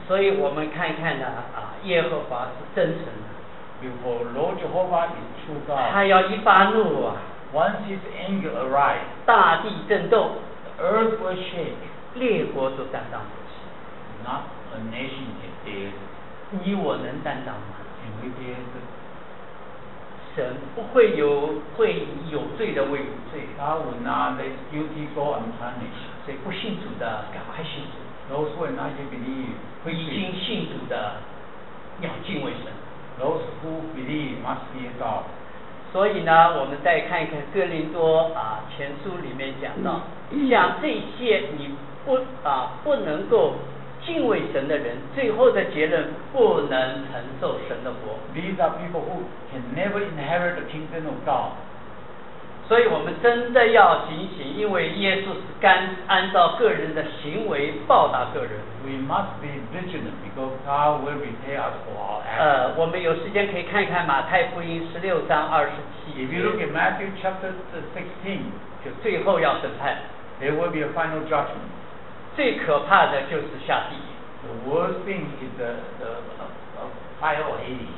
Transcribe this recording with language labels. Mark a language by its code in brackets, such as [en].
[zh] 所以我们看一看呢，啊，耶和华是真神的。 [en] Before Lord Jehovah is true God. [zh] 他要一发怒啊。 [en] Once his anger arrives. [zh] 大地震动。 [en] The earth will shake. [zh] 列国都担当不起。 [en] Not a nation can bear. [zh] 你我能担当吗？ [en] Can we bear the? [zh] 神不会有会有罪的为无罪。 [en] God will not let guilty go unpunished. [zh] 所以不信主的赶快信主。 [en] Those who have not yet believed. [zh] 会已经信主的要敬畏神。 [en] Those who believe must be God. [zh] 所以呢，我们再看一看哥林多啊前书里面讲到，像这些你不啊不能够。敬畏神的人，最后的结论不能承受神的国。 [en] These are people who can never inherit the kingdom of God. [zh] 所以我们真的要警醒，因为耶稣是甘按照个人的行为报答个人。 [en] We must be vigilant because God will repay us for our actions. [zh] 我们有时间可以看一看马太福音十六章二十七。 [en] If you look at Matthew chapter 16, [zh] 就最后要审判。 [en] There will be a final judgment. [zh] 最可怕的就是下地狱。 [en] The worst thing is the fire of Hades.